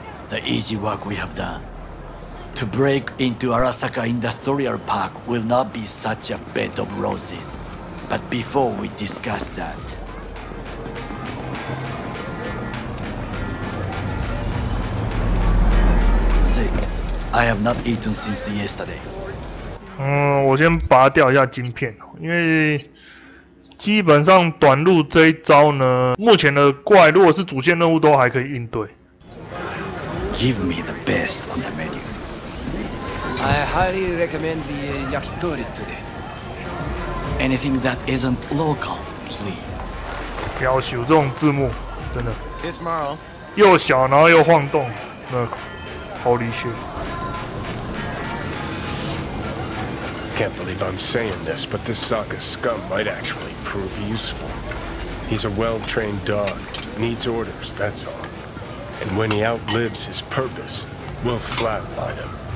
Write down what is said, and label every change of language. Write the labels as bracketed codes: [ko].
[en] The easy work we have done. To break into Arasaka Industrial Park will not be such a bed of roses. But before we discuss that... Sick. I have not eaten since yesterday. [zh] 我先拔掉一下晶片，因为基本上短路这一招呢，目前的怪如果是主线任务都还可以应对。 [en] Give me the best on the menu. I highly recommend the yakitori today. Anything that isn't local, please. [zh] 标修这种字幕，真的。 [en] See you tomorrow. [zh] 又小，然后又晃动，那好离谱。 [en] Can't believe I'm saying this, but this Sokka scum might actually prove useful. He's a well-trained dog, needs orders, that's all. And when he outlives his purpose, we'll flatline him.